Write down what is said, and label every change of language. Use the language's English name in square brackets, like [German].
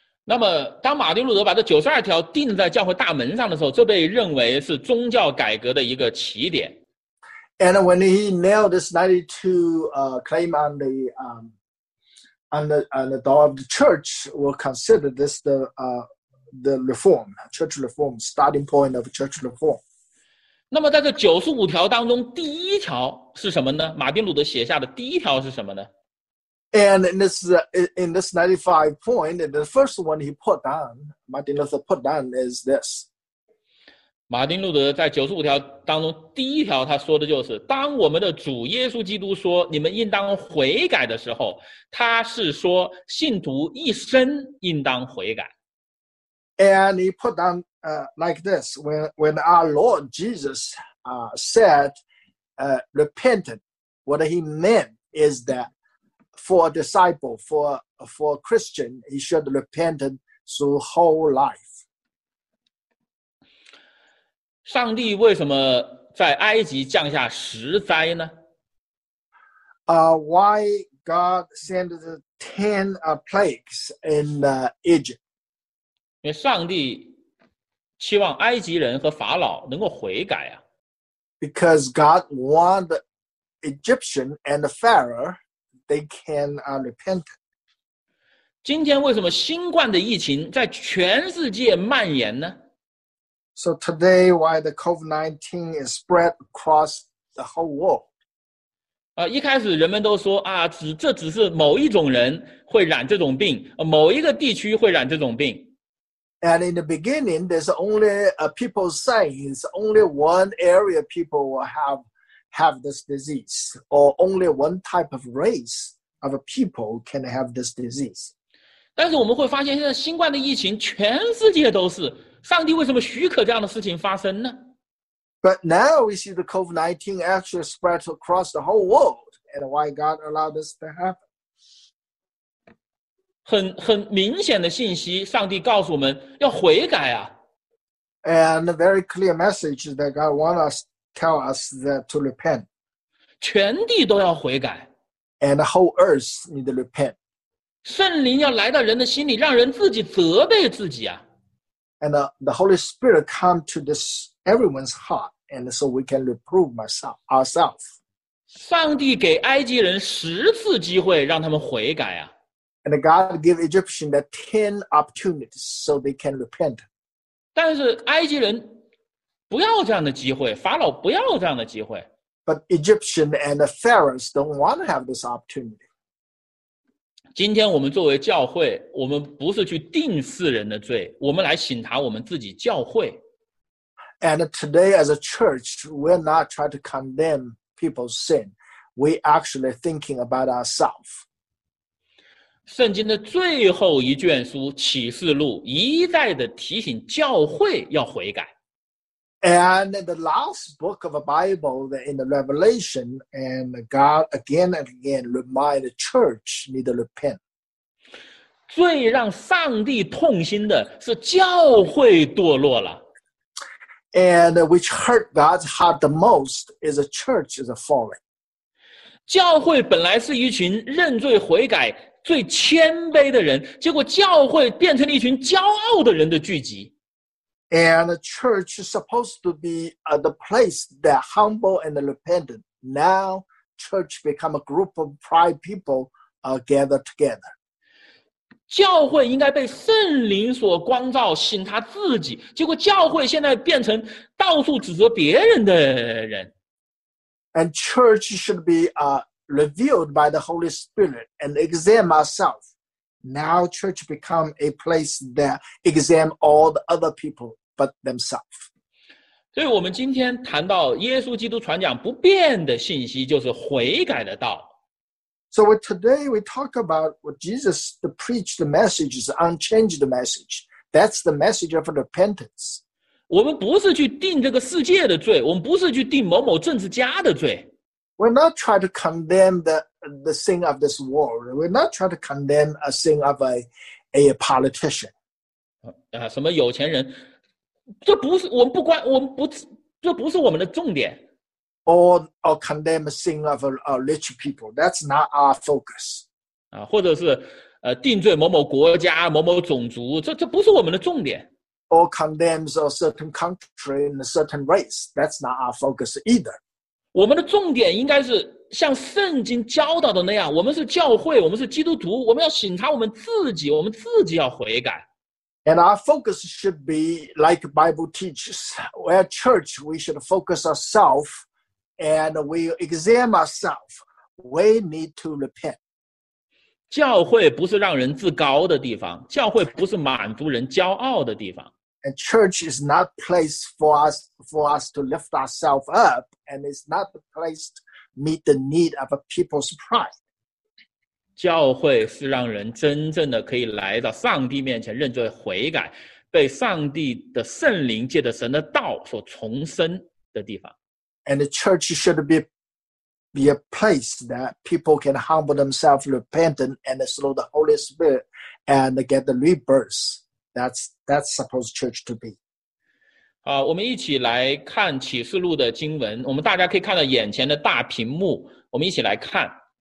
[Chinese] 那么当马丁路德把这92条钉在教会大门上的时候，这被认为是宗教改革的一个起点。 [English] And when he nailed this 92 claim on the, on the door of the church, we'll consider this the reform, church reform, starting point of church reform. [Chinese] 那么在这95条当中第一条是什么呢？马丁路德写下的第一条是什么呢？ [English] And in this 95 point, the first one he put down, Martin Luther put down is this. [Chinese] 马丁路德在95条当中第一条他说的就是，当我们的主耶稣基督说你们应当悔改的时候，他是说信徒一生应当悔改。 [English] And he put down like this, when our Lord Jesus said, repented, what he meant is that for a disciple, for a Christian, he should repent his whole life. [Chinese] 上帝为什么在埃及降下十灾呢？ [English] Why God sent the 10 plagues in Egypt? [Chinese] 因为上帝期望埃及人和法老能够悔改啊。 [English] Because God wants the Egyptian and the Pharaoh, they can repent. [Chinese] 今天为什么新冠的疫情在全世界蔓延呢？ [English] So today, why the COVID-19 is spread across the whole world? [Chinese] 一开始人们都说啊，这只是某一种人会染这种病，某一个地区会染这种病。 [English] And in the beginning, there's only people saying it's only one area people will have this disease, or only one type of race of people can have this disease. [Chinese] 但是我们会发现，现在新冠的疫情全世界都是，上帝为什么许可这样的事情发生呢？ [English] But now we see the COVID-19 actually spread across the whole world, and why God allowed this to happen. [Chinese] 很明显的信息，上帝告诉我们要悔改啊。 [English] And a very clear message that God wants us tell us that to repent. [Chinese] 全地都要悔改。 [English] And the whole earth need to repent. [Chinese] 圣灵要来到人的心里，让人自己责备自己啊。 [English] And the Holy Spirit come to this everyone's heart, and so we can reprove ourselves. [Chinese] 上帝给埃及人十次机会让他们悔改啊。 [English] And God give Egyptians the 10 opportunities so they can repent. [Chinese] 但是埃及人不要这样的机会，法老不要这样的机会。 [English] But Egyptians and the Pharaohs don't want to have this opportunity. [Chinese] 今天我们作为教会，我们不是去定世人的罪，我们来省察我们自己教会。 [English] And today as a church, we're not trying to condemn people's sin. We're actually thinking about ourselves. [Chinese] 圣经的最后一卷书《启示录》一再的提醒教会要悔改。 [English] And the last book of the Bible, in the Revelation, and God again and again remind the church need to repent. [Chinese] 最让上帝痛心的是教会堕落了。 [English] And which hurt God's heart the most is a church is a falling. [Chinese] 教会本来是一群认罪悔改最谦卑的人，结果教会变成了一群骄傲的人的聚集。 [English] And a church is supposed to be the place that humble and repentant. Now church become a group of pride people gathered together. [Chinese] 教会应该被圣灵所光照，省察自己。结果教会现在变成到处指责别人的人。 [English] And church should be revealed by the Holy Spirit and examine ourselves. Now church become a place that examine all the other people but themselves. [Chinese] 所以我们今天谈到耶稣基督传讲不变的信息，就是悔改的道。 [English] So today we talk about what Jesus preached the message is unchanged message. That's the message of repentance. [Chinese] 我们不是去定这个世界的罪，我们不是去定某某政治家的罪。 [English] We're not trying to condemn the sin of this world. We're not trying to condemn a sin of a politician. [Chinese] 什么有钱人，这不是我们不关，我们不，这不是我们的重点。 [English] Or condemn a sin of a rich people. That's not our focus. [Chinese] 或者是定罪某某国家某某种族，这不是我们的重点。 [English] Or condemns a certain country and a certain race. That's not our focus either. [Chinese] 我们的重点应该是像圣经教导的那样，我们是教会，我们是基督徒，我们要省察我们自己，我们自己要悔改。 [English] And our focus should be like Bible teaches. We're a church, we should focus ourselves. And we examine ourselves. We need to repent. [Chinese] 教会不是让人自高的地方，教会不是满足人骄傲的地方。 [English] And church is not place for us to lift ourselves up, and it's not the place to meet the need of a people's pride. [Chinese] 教会是让人真正的可以来到上帝面前认罪悔改。被上帝的圣灵借着神的道所重生的地方。 [English] And the church should be a place that people can humble themselves, repent, and through the Holy Spirit and get the rebirth. That's supposed church to be. [Chinese] 好，我们一起来看启示录的经文。我们大家可以看到眼前的大屏幕，我们一起来看。